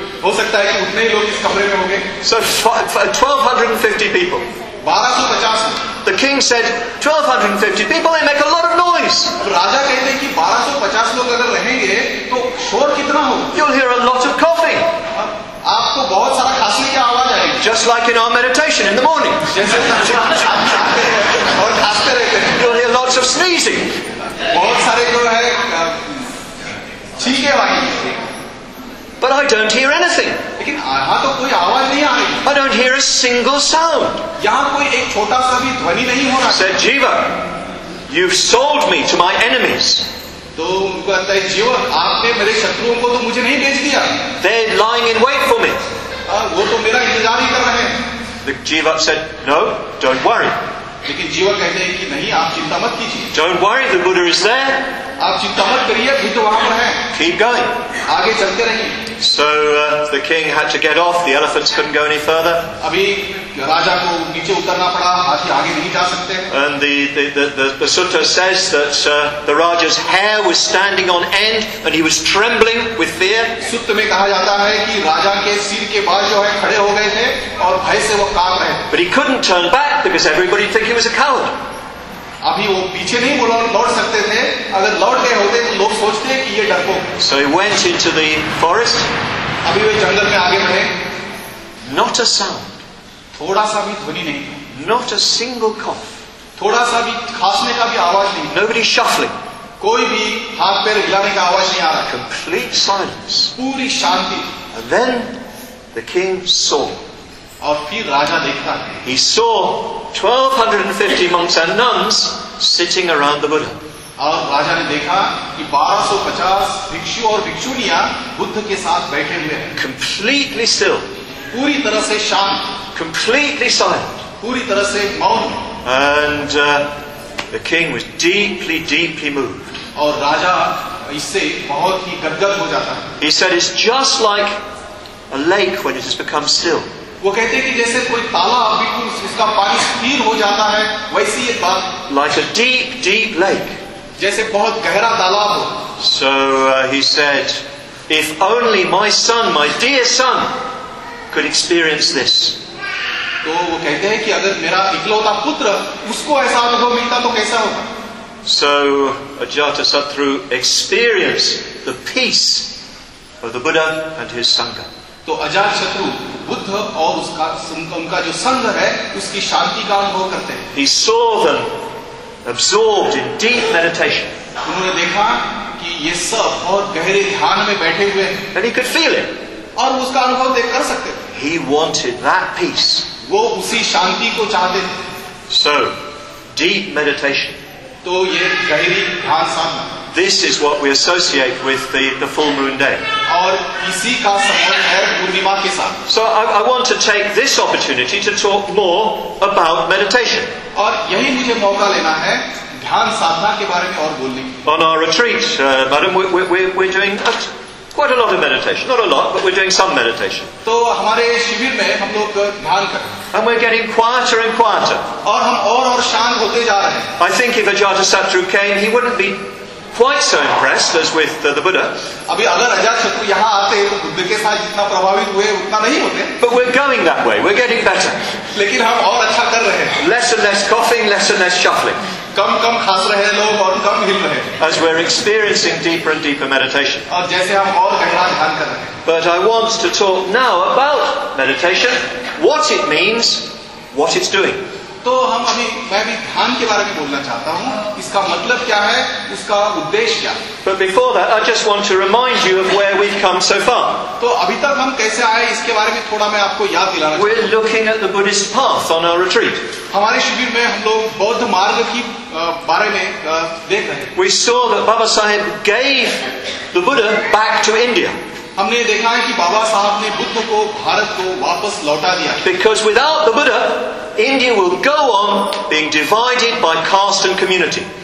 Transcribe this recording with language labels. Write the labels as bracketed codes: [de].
[hi] हो सकता है कि उतने ही लोग इस कमरे में होंगे। [en] So 1250 people. 1250. The king said 1250 people, they make a lot of noise. [hi] राजा कहते हैं कि 1250 लोग अगर रहेंगे तो शोर कितना होगा। [en] You'll hear a lot of coughing. [hi] आपको बहुत सारा खांसी की आवाज आएगी। [en] Just like in our meditation in the morning. [hi] जैसे और खांसते रहते हैं। [en] You'll hear lots of sneezing. [hi] बहुत सारे जो है छींके वाली। [en] But I don't hear anything. [hi] लेकिन यहाँ तो कोई आवाज नहीं आ रही। [en] I don't hear a single sound. [hi] यहाँ कोई एक छोटा सा भी ध्वनि नहीं हो रहा। [en] Said Jiva, you've sold me to my enemies. [hi] तो उनको कहता है जीव आपने मेरे शत्रुओं को तो मुझे नहीं बेच दिया। [en] They're lying in wait for me. [hi] वो तो मेरा इंतजार ही कर रहे हैं। [en] The Jiva said, no, don't worry. [hi] लेकिन जीव कहते हैं कि नहीं आप चिंता मत कीजिए। [en] Don't worry, the Buddha is there. [hi] आप चिंता मत करिए बुद्ध वहां पर है। [en] Keep going. [hi] आगे चलते रहिए। [en] So the king had to get off. The elephants couldn't go any further. [hi] अभी राजा को नीचे उतरना पड़ा। हाथी आगे नहीं जा सकते। [en] And the sutta says that the Raja's hair was standing on end and he was trembling with fear. [hi] सूत्र में कहा जाता है कि राजा के सिर के बाल जो है खड़े हो गए थे और भय से वो कांप रहे। [en] But he couldn't turn back because everybody'd think he was a coward. [hi] अभी वो पीछे नहीं बोला लौट सकते थे अगर लौट गए होते तो लोग सोचते हैं कि ये डरपोक [en] so he went into the forest [hi] अभी वे जंगल में आगे बढ़े [en] not a sound [hi] थोड़ा सा भी ध्वनि नहीं [en] not a single cough [hi] थोड़ा सा भी खांसने का भी आवाज नहीं [en] nobody shuffling [hi] कोई भी हाथ पैर हिलाने का आवाज नहीं आ रहा [en] complete silence [hi] पूरी शांति [en] and then the king saw [hi] और फिर राजा देखता है [en] he saw 1250 monks and nuns sitting around the Buddha. [hi] और राजा ने देखा कि 1250 भिक्षु और भिक्षुणियां बुद्ध के साथ बैठे हुए हैं. [en] Completely still. [hi] पूरी तरह से शांत. [en] Completely silent. [hi] पूरी तरह से मौन. [en] And the king was deeply, deeply moved. [hi] और राजा इससे बहुत ही गदगद हो जाता है. [en] He said, "It's just like a lake when it has become still." [hi] वो कहते हैं कि जैसे कोई तालाब बिल्कुल इसका पानी स्थिर हो जाता है वैसी ये बात [en] like a deep deep lake [hi] जैसे बहुत गहरा तालाब हो [en] so he said if only my son my dear son could experience this [hi] तो वो कहते हैं कि अगर मेरा इकलौता पुत्र उसको ऐसा अनुभव मिलता तो कैसा होगा [en] so Ajatasattu experienced the peace of the Buddha and his sangha [hi] तो अजातशत्रु बुद्ध और उसका उनका जो संघ है उसकी शांति का अनुभव करते हैं [en] He saw them absorbed in deep meditation. [hi] उन्होंने देखा कि ये सब बहुत गहरे ध्यान में बैठे हुए [en] And he could feel it. [hi] और उसका अनुभव देख कर सकते थे [en] He wanted that peace. [hi] वो उसी शांति को चाहते थे [en] So, deep meditation. [hi] तो ये गहरी ध्यान साधना [en] This is what we associate with the full moon day. [hi] और इसी का संबंध है पूर्णिमा के साथ. [en] So I want to take this opportunity to talk more about meditation. [hi] और यही मुझे मौका लेना है ध्यान साधना के बारे में और बोलने के. [en] On our retreat, madam, we're doing quite a lot of meditation. Not a lot, but we're doing some meditation. [hi] तो हमारे शिविर में हम लोग ध्यान कर रहे हैं. [en] And we're getting quieter and quieter. [hi] और हम और शांत होते जा रहे हैं. [en] I think if Ajatasattu came, he wouldn't be quite so impressed as with the Buddha. [hi] अभी अगर अजातशत्रु यहाँ आते हैं तो बुद्ध के साथ जितना प्रभावित हुए उतना नहीं होते. [en] But we're going that way. We're getting better. [hi] लेकिन हम और अच्छा कर रहे हैं. [en] Less and less coughing, less and less shuffling. [hi] कम खांस रहे हैं लोग और कम हिल रहे हैं. [en] As we're experiencing deeper and deeper meditation. [hi] और जैसे हम और गहरा ध्यान कर रहे हैं. [en] But I want to talk now about meditation, what it means, what it's doing. [hi] तो हम अभी मैं भी ध्यान के बारे में बोलना चाहता हूँ इसका मतलब क्या है उसका उद्देश्य क्या [en] But before that, I just want to remind you of where we've come so far. [hi] तो अभी तक हम कैसे आए इसके बारे में थोड़ा मैं आपको याद दिलाना चाहता हूँ [en] We're looking at the Buddhist path on our retreat. [hi] हमारे शिविर में हम लोग बौद्ध मार्ग की बारे में देख रहे हैं [en] We saw that Baba Sahib gave the Buddha back to India. [hi] हमने देखा है कि बाबा साहब ने बुद्ध को भारत को वापस लौटा दिया [en] Because without the Buddha, India will go on being divided by caste and community.